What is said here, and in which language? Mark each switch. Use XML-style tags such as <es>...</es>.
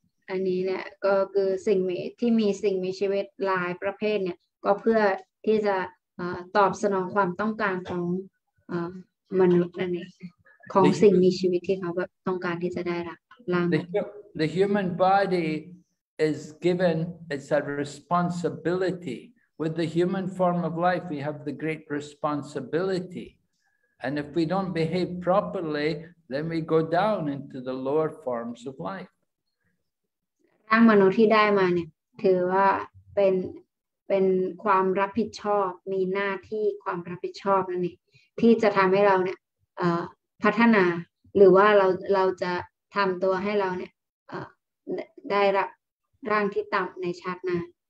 <th>อันนี้เนี่ยก็คือสิ่งที่มีสิ่งมีชีวิตหลายประเภทเนี่ยก็เพื่อที่จะตอบสนองความต้องการของมนุษย์นั่นเองของสิ่งมีชีวิตที่เขาแบบต้องการที่จะได้รับร่าง</th> <en>The human body is given it's a responsibility with the human form of life we have the great responsibility and if we don't behave properly then we go down into the lower forms of life</en> <th>ร่างมนุษย์ที่ได้มาเนี่ยถือว่าเป็นความรับผิดชอบมีหน้าที่ความรับผิดชอบนั่นเองที่จะทำให้เราเนี่ยพัฒนาหรือว่าเราจะทำตัวให้เราเนี่ยได้รับร่างที่ต่ำในชาติหน้า</th>